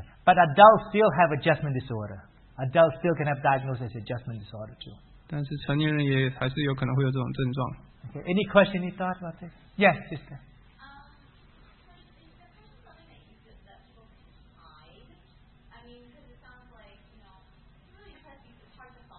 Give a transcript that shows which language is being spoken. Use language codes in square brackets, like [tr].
[en] But adults still have adjustment disorder. Adults still can have diagnosed as adjustment disorder too. [zh] 但是成年人也还是有可能会有这种症状。 [en] Okay, any question, any thought about this? Yes, sister. So is there something that you could, that people hide? I mean, because it sounds like, you know, really hard